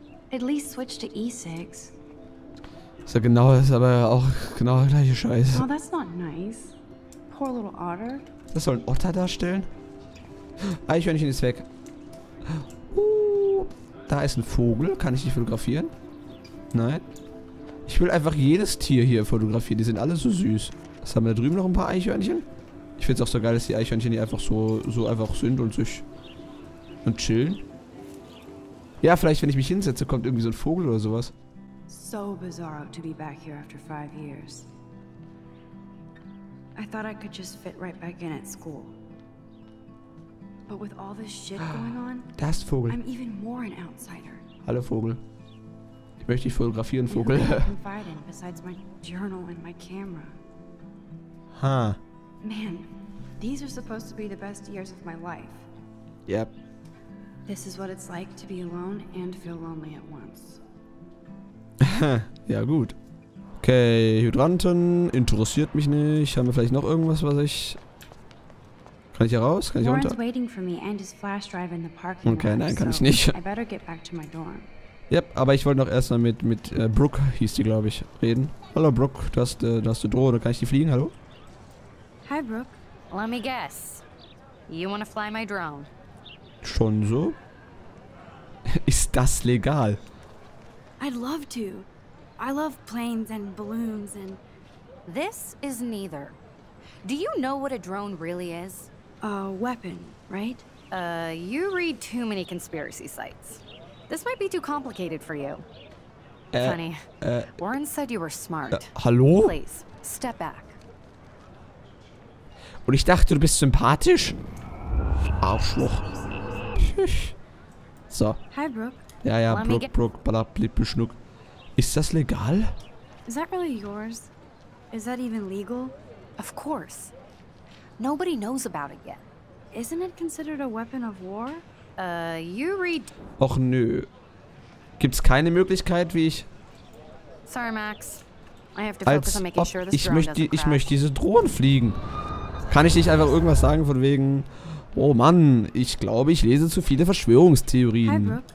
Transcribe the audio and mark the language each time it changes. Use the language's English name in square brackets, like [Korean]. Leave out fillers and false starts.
[English] At least switch to E-Cigs. [German] So genau, ist aber auch genau der gleiche Scheiß. [English] Oh, that's not nice. Poor little otter. [German] Das soll ein Otter darstellen? Eichhörnchen ist weg. Da ist ein Vogel. Kann ich dich fotografieren? Nein. Ich will einfach jedes Tier hier fotografieren. Die sind alle so süß. Was haben wir da drüben noch ein paar Eichhörnchen? Ich find's auch so geil, dass die Eichhörnchen hier einfach so einfach sind und sich und chillen. Ja, vielleicht wenn ich mich hinsetze, kommt irgendwie so ein Vogel oder sowas. [English] So bizarre to be back here after 5 years. I thought I could just fit right back in at school. But with all this shit going on, [German] da ist Vogel. [English] I'm even more an outsider. [German] Hallo Vogel. Ich möchte dich fotografieren, Vogel. [English] Besides my journal and my camera. Ha. Huh. Man, these are supposed to be the best years of my life. Yep. This is what it's like to be alone and feel lonely at once. [German] Ja, gut. Okay, Hydranten interessiert mich nicht. Haben wir vielleicht noch irgendwas, was ich. Kann ich hier raus? Kann ich runter? [English] Warren's waiting for me and his flash drive in the parking lot. [German] Okay, nein, kann ich nicht. [English] I better get back to my dorm. [German] Yep, aber ich wollte noch erstmal mit Brooke, hieß die, glaube ich, reden. Hallo Brooke, du hast eine Drohne, kann ich die fliegen? Hallo? [English] Hi Brooke. Let me guess. You wanna fly my drone? [German] Schon so? Ist das legal? [English] I'd love to. I love planes and balloons and this is neither. Do you know what a drone really is? A weapon, right? You read too many conspiracy sites. This might be too complicated for you. Funny. Warren said you were smart. [German] Hallo? [English] Please, step back. [German] Und ich dachte, du bist sympathisch? Arschloch. So. [English] Hi, Brooke. [German] Ja, Brooke, balla, blip, schnuck. Ist das legal? [English] Is that really yours? Is that even legal? Of course. Nobody knows about it yet. Isn't it considered a weapon of war? You read. [German] Och nö. Gibt's keine Möglichkeit, wie ich. [English] Sorry, Max. I have to focus on making sure this drone doesn't crash. [German] Ich möchte diese Drohnen fliegen. Kann ich nicht einfach irgendwas sagen von wegen. Oh Mann, ich glaube, ich lese zu viele Verschwörungstheorien.